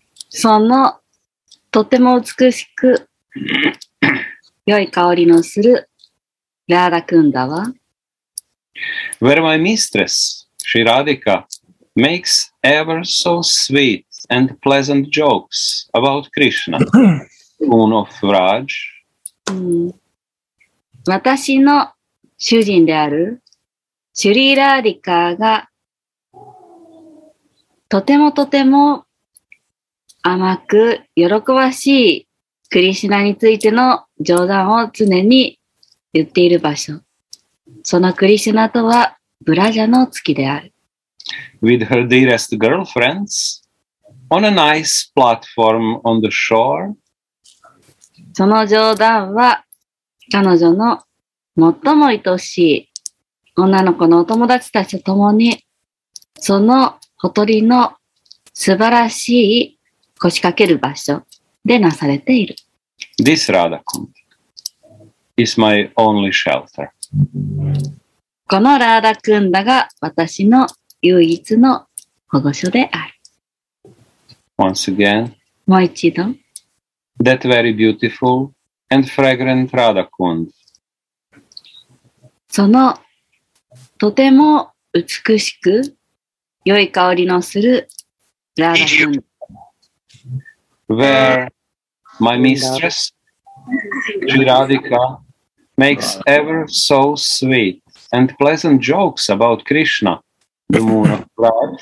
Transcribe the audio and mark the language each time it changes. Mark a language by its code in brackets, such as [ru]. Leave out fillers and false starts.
[ja] その、とても美しく、良い香りのする、ラーダクンダは。 [en] Where my mistress, Sri Radhika, makes ever so sweet and pleasant jokes about Krishna, moon of Raj. [ja] 私の主人である、シュリーラーディカーが、とてもとても、甘く喜ばしいクリシナについての冗談を常に言っている場所。そのクリシナとはブラジャの月である。 [en] With her dearest girlfriends, on a nice platform on the shore. [ja] その冗談は彼女の最も愛しい女の子のお友達たちと共に、そのほとりの素晴らしい腰掛ける場所でなされている。 [en] This Radhakund is my only shelter. [ja] このラーダクンダが私の唯一の保護所である。 [en] Once again, [ja] もう一度。 [en] That very beautiful and fragrant Radhakund. [ja] そのとても美しく良い香りのするラーダクンダ。 [en] Where my mistress, Sri Radhika, makes ever so sweet and pleasant jokes about Krishna, the moon of Raj.